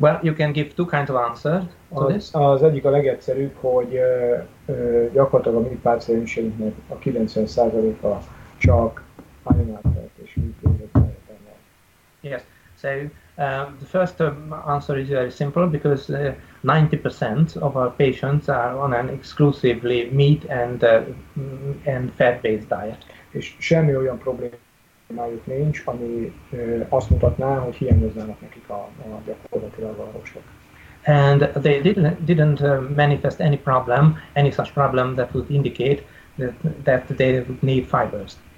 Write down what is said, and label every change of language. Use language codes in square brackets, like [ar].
[en] Well, you can give two kinds of answers to this. [hu] Az egyik a legegyszerűbb, hogy gyakorlatilag a mi pácienseinknek a 90%-a csak animáltat és működött. [en] Yes, so the first answer is very simple because 90% of our patients are on an exclusively meat and fat-based diet. [hu] És semmi olyan problémájuk nincs, ami azt mutatná, hogy hiányoznának nekik a gyakorlatilag a rostok. [en] And they didn't manifest any such problem that would indicate that they would need fibers.